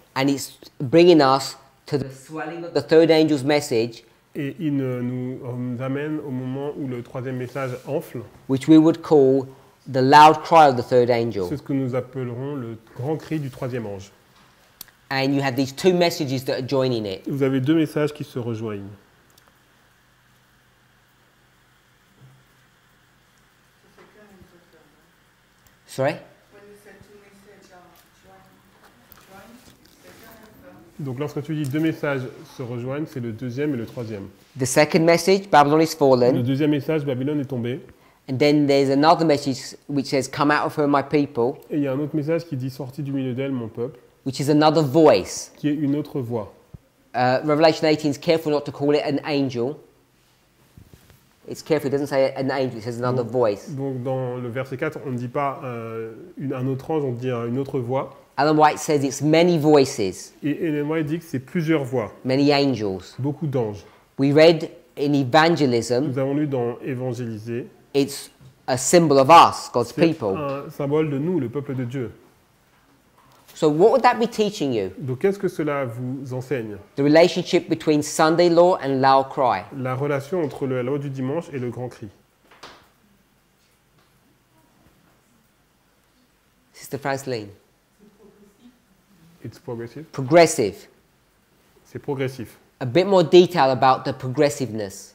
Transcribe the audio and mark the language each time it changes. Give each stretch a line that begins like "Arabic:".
English: And it's bringing us to the swelling of the third angel's message.
French: Et il nous amène au moment où le troisième message enfle.
English: Which we would call the loud cry of the third angel.
French: C'est ce que nous appellerons le grand cri du troisième ange.
English: And you have these two messages that are joining it.
French: Vous avez deux messages qui se rejoignent.
English: Sorry?
French: Donc lorsque tu dis deux messages se rejoignent, c'est le deuxième et le troisième.
English: The second message, Babylon is fallen.
French: Le deuxième message, Babylone est tombée.
English: And then there's another message which says, "Come out of her, my people."
French: Et il y a un autre message qui dit, "Sortez du milieu d'elle, mon peuple."
English: Which is another voice.
French: Qui est une autre voix.
English: Revelation 18 is careful not to call it an angel. It's careful; it doesn't say an angel. It says another voice.
French: Donc dans le verset 4, on ne dit pas un autre ange, on dit une autre voix.
English: Ellen White says it's many voices.
French: Et Ellen White dit que c'est plusieurs voix.
English: Many angels.
French: Beaucoup d'anges.
English: We read in evangelism.
French: Nous avons lu dans évangéliser.
English: It's a symbol of us, God's people.
French: C'est un symbole de nous, le peuple de Dieu.
English: So what would that be teaching you?
French: Donc qu'est-ce que cela vous enseigne?
English: The relationship between Sunday law and loud cry.
French: La relation entre la loi du dimanche et le grand cri.
English: Sister Franceline. It's progressive. Progressive.
French: C'est progressif.
English: A bit more detail about the progressiveness.